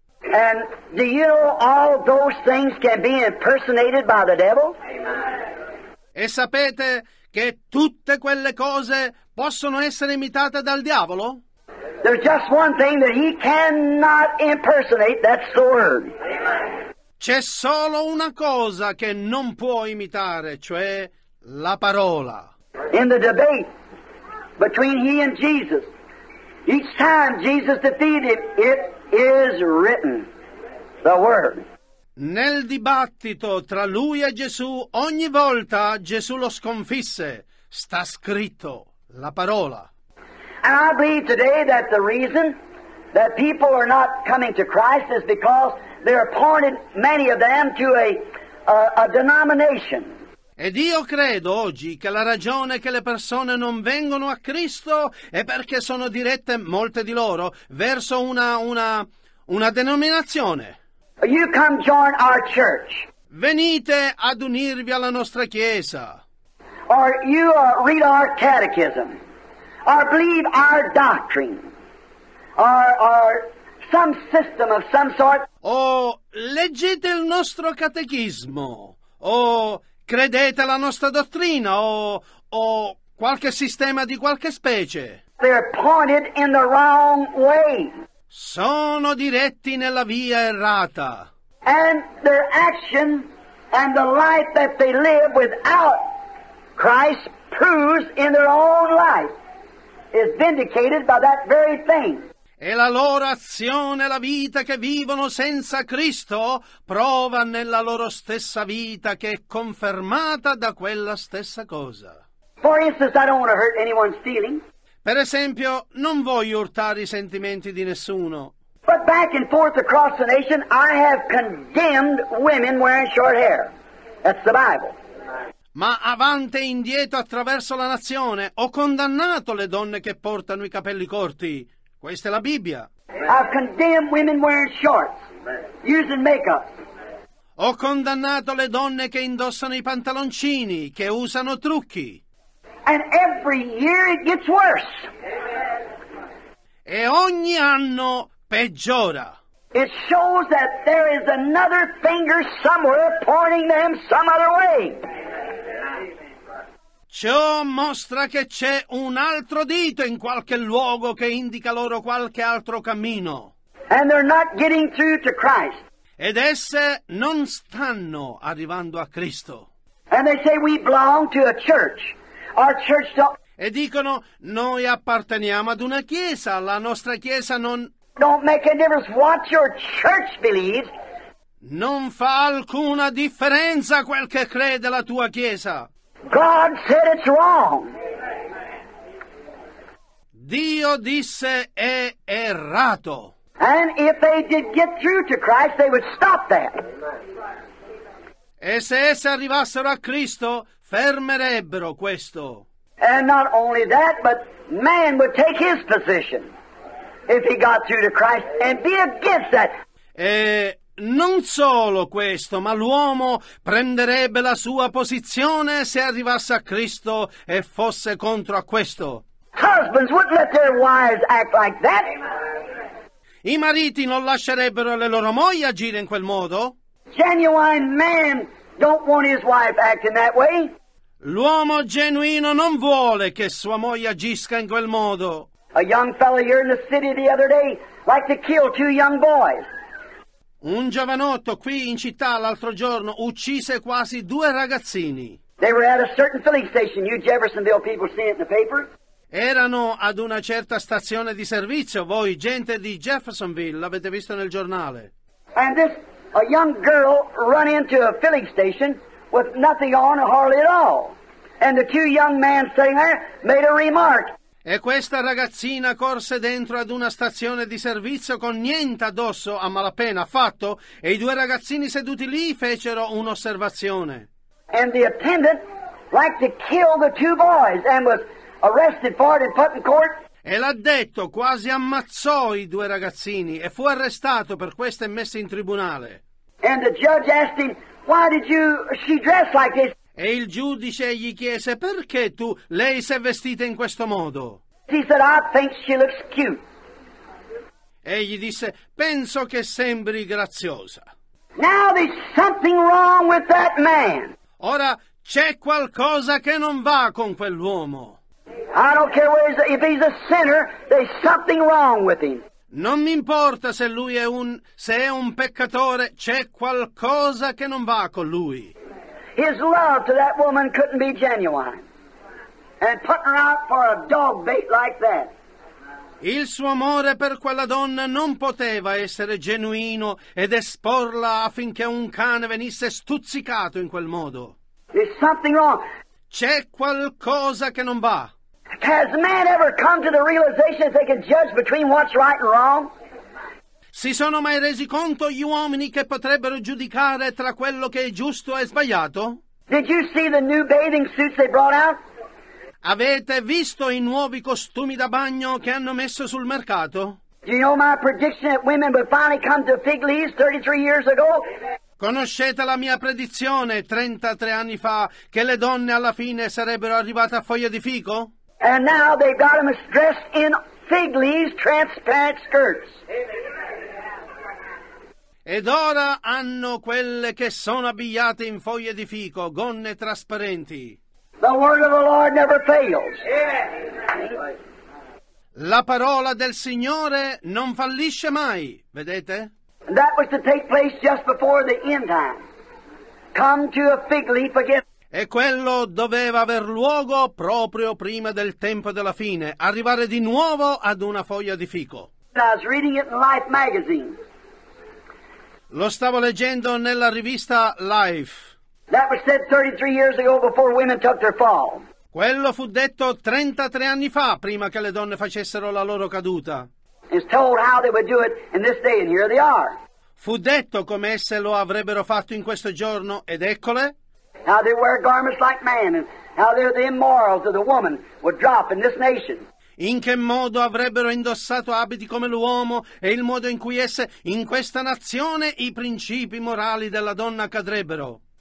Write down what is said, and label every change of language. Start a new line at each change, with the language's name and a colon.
English: And do you know all those things can be impersonated by the devil?
Italian: E sapete che tutte quelle cose possono essere imitate dal diavolo?
English: There's just one thing that he cannot impersonate, that's the word. Amen.
Italian: C'è solo una cosa che non può imitare, cioè la parola.
English: In the debate between he and Jesus, each time Jesus defeated, it is written, the word.
Italian: Nel dibattito tra lui e Gesù, ogni volta Gesù lo sconfisse, sta scritto, la parola.
English: And I believe today that the reason that people are not coming to Christ is because they're pointed, many of them, to a denomination.
Italian: Ed io credo oggi che la ragione che le persone non vengono a Cristo è perché sono dirette, molte di loro, verso una denominazione.
English: You come join our church.
Italian: Venite ad unirvi alla nostra chiesa.
English: Or you read our catechism. Or believe our doctrine. Or some system of some sort.
Italian: O leggete il nostro catechismo, o credete alla nostra dottrina, o qualche sistema di qualche specie.
English: They're pointed in the wrong way.
Italian: Sono diretti nella via errata.
English: And their action and the life that they live without Christ proves in their own life is vindicated by that very thing.
Italian: E la loro azione, la vita che vivono senza Cristo, prova nella loro stessa vita che è confermata da quella stessa cosa.
English: For instance, I don't want to hurt anyone's feelings.
Italian: Per esempio, non voglio urtare i sentimenti di nessuno.
English: But back and forth across the nation, I have condemned women wearing short hair. That's the Bible.
Italian: Ma avanti e indietro attraverso la nazione, ho condannato le donne che portano i capelli corti. Questa è la Bibbia.
English: I've condemned women wearing shorts, using makeup.
Italian: Ho condannato le donne che indossano i pantaloncini, che usano trucchi.
English: And every year it gets worse.
Italian: E ogni anno peggiora.
English: It shows that there is another finger somewhere pointing them some other way.
Italian: Ciò mostra che c'è un altro dito in qualche luogo che indica loro qualche altro cammino.
English: And they're not getting through to Christ.
Italian: Ed esse non stanno arrivando a Cristo.
English: And they say we belong to a church. Our church don't.
Italian: E dicono, noi apparteniamo ad una chiesa, la nostra chiesa non.
English: Don't make a difference what your church believes.
Italian: Non fa alcuna differenza quel che crede la tua chiesa.
English: God said it's wrong.
Italian: Dio disse è errato.
English: And if they did get through to Christ, they would stop that.
Italian: E se esse arrivassero a Cristo, fermerebbero questo.
English: And not only that, but man would take his position if he got through to Christ and be against that.
Italian: E non solo questo, ma l'uomo prenderebbe la sua posizione se arrivasse a Cristo e fosse contro a questo.
English: Husbands wouldn't let their wives act like that.
Italian: I mariti non lascerebbero le loro mogli agire in quel modo.
English: Genuine man don't want his wife acting that way.
Italian: L'uomo genuino non vuole che sua moglie agisca in quel modo.
English: A young fellow here in the city the other day liked to kill two young boys.
Italian: Un giovanotto qui in città l'altro giorno uccise quasi due ragazzini.
English: They were at a certain filling station, you Jeffersonville people see it in the paper.
Italian: Erano ad una certa stazione di servizio, voi gente di Jeffersonville l'avete visto nel giornale.
English: And this a young girl run into a filling station with nothing on, hardly at all. And the two young men sitting there made a remark.
Italian: E questa ragazzina corse dentro ad una stazione di servizio con niente addosso, a malapena affatto, e i due ragazzini seduti lì fecero un'osservazione.
English: And the attendant liked to kill the two boys and was arrested for it and put in court.
Italian: E l'addetto quasi ammazzò i due ragazzini e fu arrestato per questo e messo in tribunale.
English: And the judge asked him, why did you, she dress like this?
Italian: E il giudice gli chiese, perché tu, lei si è vestita in questo modo?
English: He said, I think she looks cute.
Italian: E gli disse, penso che sembri graziosa.
English: Now there's something wrong with that man.
Italian: Ora c'è qualcosa che non va con quell'uomo.
English: I don't care where he's, if he's a sinner, there's something wrong with him.
Italian: Non mi importa se lui è un, se è un peccatore, c'è qualcosa che non va con lui.
English: His love to that woman couldn't be genuine. And putting her out for a dog bait like that.
Italian: Il suo amore per quella donna non poteva essere genuino ed esporla affinché un cane venisse stuzzicato in quel modo.
English: There's something wrong.
Italian: C'è qualcosa che non va.
English: Has man ever come to the realization that they can judge between what's right and wrong?
Italian: Si sono mai resi conto gli uomini che potrebbero giudicare tra quello che è giusto e sbagliato?
English: Did you see the new bathing suits they brought out?
Italian: Avete visto i nuovi costumi da bagno che hanno messo sul mercato?
English: Do you know my prediction that women would finally come to fig leaves 33 years ago?
Italian: Conoscete la mia predizione 33 anni fa che le donne alla fine sarebbero arrivate a foglie di fico?
English: And now they've got them dressed in fig leaves, transparent skirts.
Italian: Ed ora hanno quelle che sono abbigliate in foglie di fico, gonne trasparenti.
English: The word of the Lord never fails.
Italian: La parola del Signore non fallisce mai, vedete?
English: That was to take place just before the end time. Come to a fig leaf again.
Italian: E quello doveva aver luogo proprio prima del tempo della fine, arrivare di nuovo ad una foglia di fico.
English: I was reading it in Life magazine.
Italian: Lo stavo leggendo nella rivista Life.
English: That was said 33 years ago before women took their fall.
Italian: Quello fu detto 33 anni fa, prima che le donne facessero la loro caduta.
English: It's told how they would do it in this day and here they are.
Italian: Fu detto come esse lo avrebbero fatto in questo giorno ed eccole.
English: How they wear garments like man and how they're the immorals of the woman would drop in this nation.
Italian: In che modo avrebbero indossato abiti come l'uomo e il modo in cui esse in questa nazione i principi morali della donna cadrebbero.